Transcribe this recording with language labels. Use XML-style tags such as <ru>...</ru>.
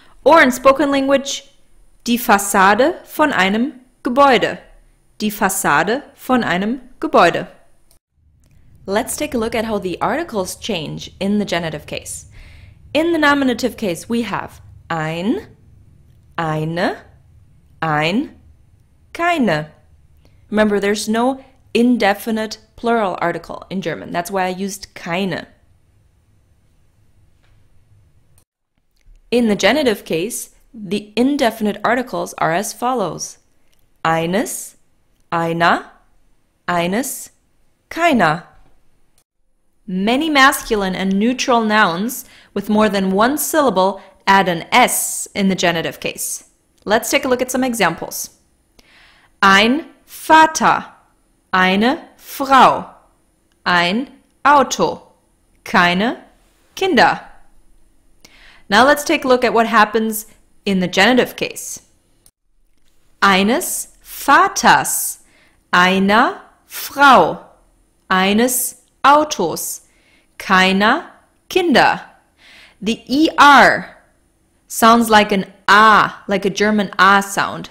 <en>Or in spoken language,</en> <de>die Fassade von einem Gebäude. Die Fassade von einem Gebäude.</de> <en>Let's take a look at how the articles change in the genitive case. In the nominative case, we have</en> <de>ein, eine, ein, keine.</de> <en>Remember, there's no indefinite plural article in German. That's why I used keine. In the genitive case, the indefinite articles are as follows.</en> <de>Eines, einer, eines, keiner.</de> <en>Many masculine and neutral nouns with more than one syllable add an S in the genitive case. Let's take a look at some examples.</en> <de>Ein Vater, eine Frau, ein Auto, keine Kinder.</de> <en>Now let's take a look at what happens in the genitive case.</en> <de>Eines Vaters, einer Frau, eines Autos. Keiner Kinder.</de> <en>The ER sounds like an A, like a German A sound.</en>